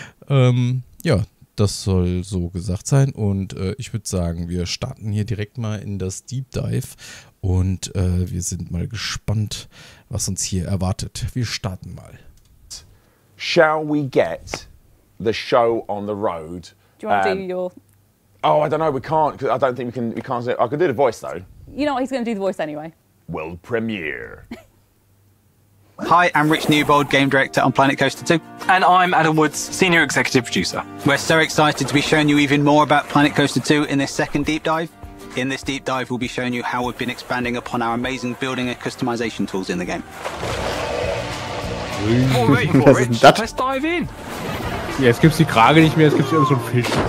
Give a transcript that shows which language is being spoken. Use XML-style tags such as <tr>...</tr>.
<de>Ja, das soll so gesagt sein und ich würde sagen, wir starten hier direkt mal in das Deep Dive und wir sind mal gespannt, was uns hier erwartet. Wir starten mal.</de> <en>Shall we get the show on the road? Do you want to do your... Oh, I don't know. We can't. I don't think we can. I could do the voice, though. You know what? He's going to do the voice anyway. World premiere. Hi, I'm Rich Newbold, game director on Planet Coaster 2. And I'm Adam Woods, senior executive producer. We're so excited to be showing you even more about Planet Coaster 2 in this second deep dive. In this deep dive, we'll be showing you how we've been expanding upon our amazing building and customization tools in the game. Alright, let's dive in.</en> <de>Ja, jetzt gibt's die Krage nicht mehr, jetzt gibt's irgend so einen Fisch.</de>